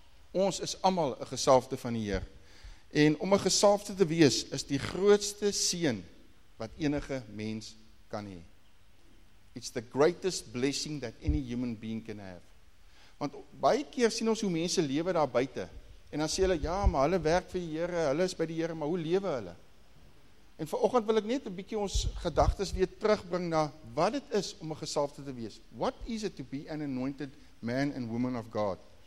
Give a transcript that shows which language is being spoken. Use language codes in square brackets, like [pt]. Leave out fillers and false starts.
[af] Ons is almal 'n gesalfde van die Heer. En om 'n gesalfde te wees is die grootste seën wat enige mens kan hê. [en] It's the greatest blessing that any human being can have. [af] Want baie keer sien ons hoe mense lewe daar buite. En dan sê hulle, ja, maar hulle werk vir die Here, hulle is by die Here, maar hoe lewe hulle? En vanoggend wil ek net 'n bietjie ons gedagtes weer terugbring na wat dit is om 'n gesalfde te wees. [en] What is it to be an anointed man and woman of God?